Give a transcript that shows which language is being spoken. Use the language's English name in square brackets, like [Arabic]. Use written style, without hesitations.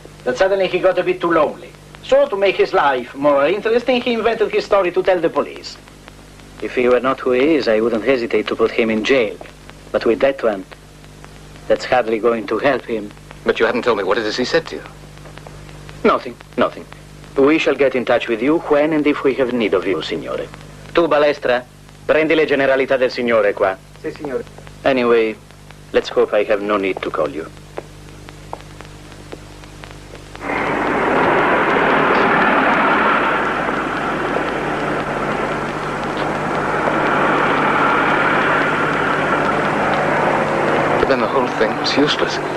[English] That suddenly he got a bit too lonely. So to make his life more interesting, he invented his story to tell the police. If he were not who he is, I wouldn't hesitate to put him in jail. But with that one, that's hardly going to help him. But you haven't told me, what it is he said to you? Nothing, nothing. We shall get in touch with you when and if we have need of you, signore. [Italian] Tu, balestra, prendi le generalità del signore qua. Sì, signore. [English] Anyway... Let's hope I have no need to call you. But then the whole thing was useless.